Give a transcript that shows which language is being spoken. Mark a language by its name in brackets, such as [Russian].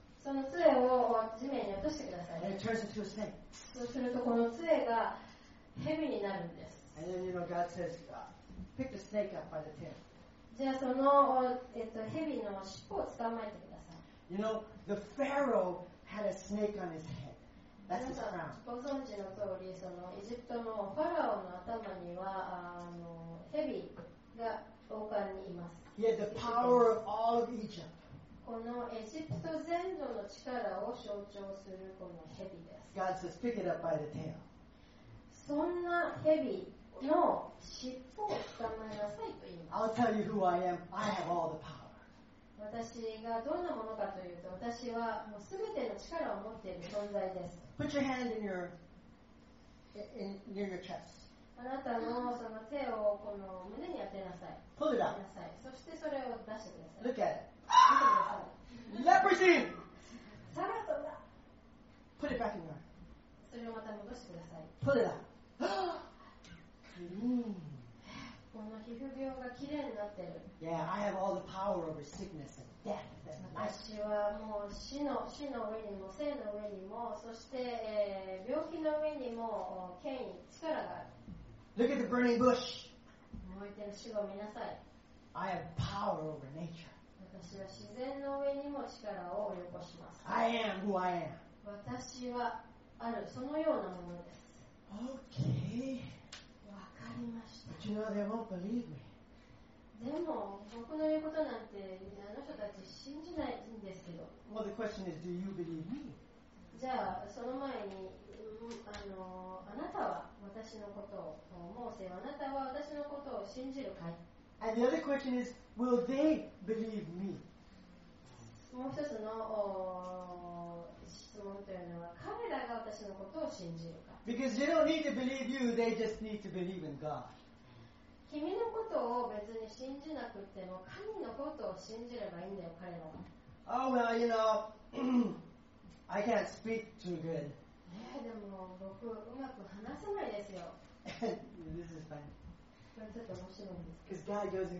[Japanese] その杖を地面に落としてください。 [English] And it turns into a snake. [Japanese] そうするとこの杖が蛇になるんです。 [English] And then you know God says, pick the snake up by the tail. [Japanese] じゃあその蛇の尻尾を捕まえてください。 [English] You know, the Pharaoh had a snake on his head. That's [Japanese] ご存知の通り、そのエジプトのファラオの頭には蛇が王冠にいます。 [English] He had the power of all of Egypt. [Japanese] このエジプト全土の力を象徴するこの蛇です。 [English] God says, pick it up by the tail. [Japanese] そんな蛇の尻尾を捕まえなさいと言います。 [English] I'll tell you who I am. I have all the power. [Japanese] 私がどんなものかというと、私はもうすべての力を持っている存在です。 [English] Put your hand in near your chest. [Japanese] あなたのその手をこの胸に当てなさい。 [English] Pull it up. [Japanese] なさい。そしてそれを出してください。 [English] Look at it. [Japanese] 見てください。 [English] Leprosy. [Japanese] サラトだ。 [English] Put it back in your. [Japanese] それをまた戻してください。 [English] Pull it up. Clean. [Japanese] この皮膚病がきれいになってる。 [English] Yeah, I have all the power over sickness and death. [Japanese] 私はもう死の上にも生の上にも、そして、病気の上にも権威、力がある。 [English] Look at the burning bush. [Japanese] 燃えてる死を見なさい。 [English] I have power over nature. [Japanese] 私は自然の上にも力を及ぼします。 [English] I am who I am. [Japanese] 私はある、そのようなものです。 [English] Okay. But you know they won't believe me. [Japanese] でも僕の言うことなんてあの人たち信じないんですけど。 [English] Well, the question is, do you believe me? [Japanese] じゃあその前に、あなたは私のことを、モーセはあなたは私のことを信じるかい [English] ？And the other question is, will they believe me? [Japanese] もう一つの質問というのは、彼らが私のことを信じるか。 [English] Because they don't need to believe you, they just need to believe in God. [Japanese] 君のことを別に信じなくても、神のことを信じればいいんだよ、彼らは。 [English] Oh, well, you know, I can't speak too good. [Japanese] でも僕、うまく話せないですよ。 [English] This is funny. [Japanese] これちょっと面白いんですけど。